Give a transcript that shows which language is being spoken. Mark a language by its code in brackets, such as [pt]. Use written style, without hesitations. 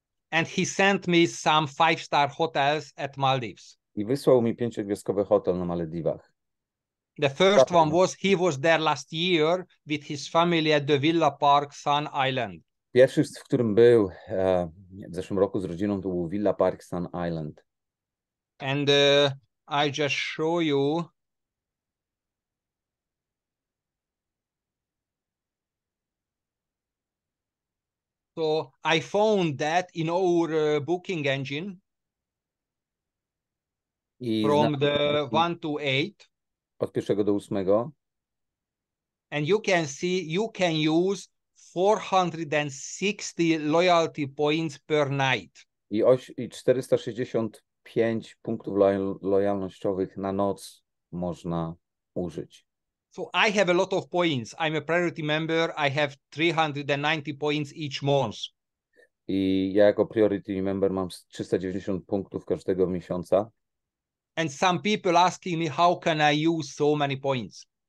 [en] And he sent me some five-star hotels at Maldives. [pl] I wysłał mi pięciogwiazdkowy hotel na Malediwach. [en] The first one was he was there last year with his family at the Villa Park Sun Island. [pl] Pierwszy, w którym był w zeszłym roku z rodziną, to był Villa Park Sun Island. [en] And I just show you. So I found that in our booking engine [pl] I [en] from [pl] znalazłem [en] the [pl] taki [en] 1 to 8. [pl] od 1 do 8. [en] And you can see you can use 460 loyalty points per night. [pl] I 465 punktów lojalnościowych na noc można użyć. [en] So I have a lot of points. I'm a priority member. I have 390 points each month. [pl] I ja jako [en] priority member [pl] mam 390 punktów każdego miesiąca. [en] And some people asking me, how can I use so many points?